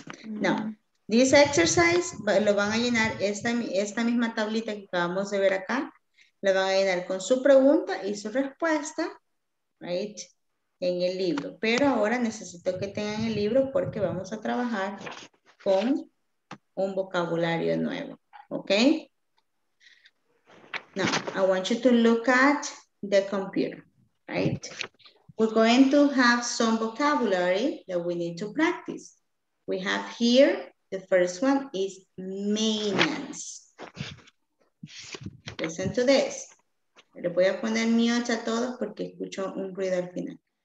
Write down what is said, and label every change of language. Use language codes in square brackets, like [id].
[en] Now, this exercise [es] lo van a llenar, esta misma tablita que acabamos de ver acá, la van a llenar con su pregunta y su respuesta, right, en el libro. Pero ahora necesito que tengan el libro porque vamos a trabajar con un vocabulario nuevo. [en] Okay. Now, I want you to look at the computer, right? We're going to have some vocabulary that we need to practice. We have here, the first one is maintenance. Listen to this. [es] Le voy a poner mute a todos porque escucho un ruido al final.